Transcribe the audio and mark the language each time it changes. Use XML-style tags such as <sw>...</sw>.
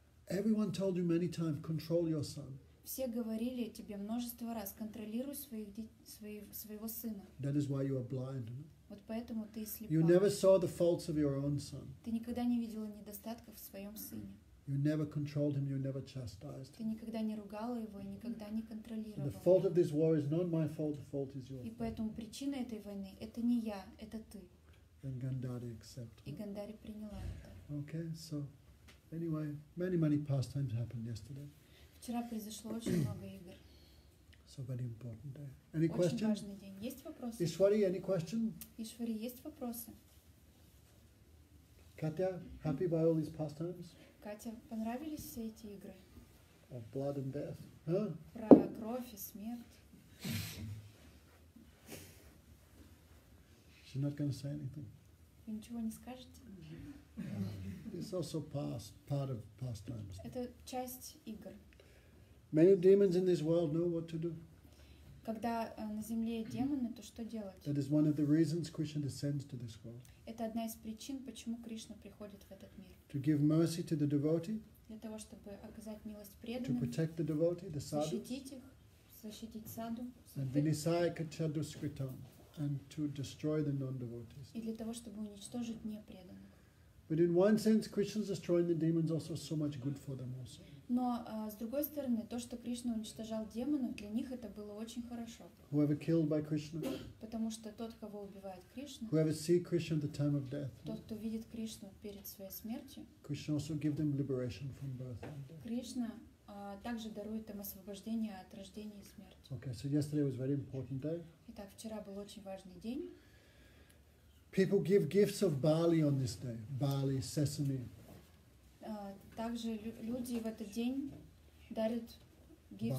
<en>Everyone told you many times, control your son.</en> <ru>Все говорили тебе множество раз, контролируй своего сына.</ru> <en>That is why you are blind.</en> <ru>Вот поэтому ты слепа.</ru> <en>You never saw the faults of your own son.</en> <ru>Ты никогда не видела недостатков в своем сыне.</ru> <en>You never controlled him, you never chastised.</en> <ru>Ты никогда не ругала его и никогда не контролировала.</ru> <en>The fault of this war is not my fault. The fault is yours.</en> <ru>И поэтому причина этой войны это не я, это ты.</ru> <en>And Gandhari accepted.</en> <ru>И Гандхари приняла это.</ru> <en>Okay, so. Anyway, many, many pastimes happened yesterday.</en> <ru>Вчера произошло очень много игр.</ru> <en>So very important day. Any questions?</en> <ru>Очень важный день. Есть вопросы?</ru> <en>Ишвари, any question?</en> <ru>Ишвари, есть вопросы?</ru> <en>Катя, happy by all these pastimes?</en> <ru>Катя, понравились все эти игры?</ru> <en>Of blood and death, huh?</en> <ru>Про кровь и смерть.</ru> <en>She's not going to say anything.</en> <ru>Вы ничего не скажете?</ru> <en>It's also part of pastimes.</en> <ru>Это часть игр.</ru> <en>Many demons in this world know what to do.</en> <ru>Когда на земле демоны, то что делать?</ru> <en>That is one of the reasons Krishna descends to this world.</en> <ru>Это одна из причин, почему Кришна приходит в этот мир.</ru> <en>To give mercy to the devotee.</en> <ru>Для того, чтобы оказать милость преданным.</ru> <en>To protect the devotee, the sadhu.</en> <ru>Защитить их, защитить саду.</ru> <en>And</en> <sa>Vinisaya Chaduskritam.</sa> <en>And to destroy the non-devotees.</en> <ru>И для того, чтобы уничтожить непреданных.</ru> <en>But in one sense, Krishna's destroying the demons also so much good for them also.</en> <ru>Но с другой стороны, то, что Кришна уничтожал демонов, для них это было очень хорошо.</ru> <en>Whoever killed by Krishna.</en> <ru>Потому что тот, кого убивает Кришна.</ru> <en>Whoever sees Krishna at the time of death.</en> <ru>Тот, кто видит Кришну перед своей смертью.</ru> <en>Krishna also gives them liberation from birth and death.</en> <ru>Кришна также дарует им освобождение от рождения и смерти.</ru> <en>Okay, so yesterday was very important day.</en> <ru>Итак, вчера был очень важный день.</ru> <en>People give gifts of barley on this day. Barley, sesame.</en> <ru>Также люди в этот день дарят</ru> <en>gifts.</en>